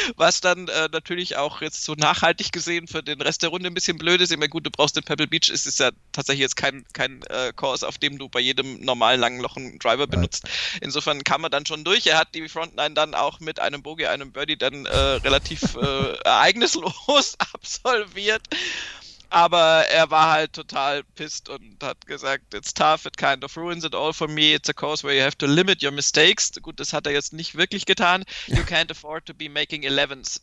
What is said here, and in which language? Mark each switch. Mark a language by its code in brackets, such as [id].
[de] Was dann natürlich auch jetzt so nachhaltig gesehen für den Rest der Runde ein bisschen blöd ist. Ich meine, gut, du brauchst den Pebble Beach, es ist ja tatsächlich jetzt kein Course, auf dem du bei jedem normalen langen Loch einen Driver benutzt. Insofern kam er dann schon durch. Er hat die Frontline dann auch mit einem Bogey, einem Birdie dann relativ ereignislos absolviert. Aber er war halt total pissed und hat gesagt, [en] it's tough, it kind of ruins it all for me, it's a course where you have to limit your mistakes. [de] Gut, das hat er jetzt nicht wirklich getan. [en] You can't afford to be making 11s.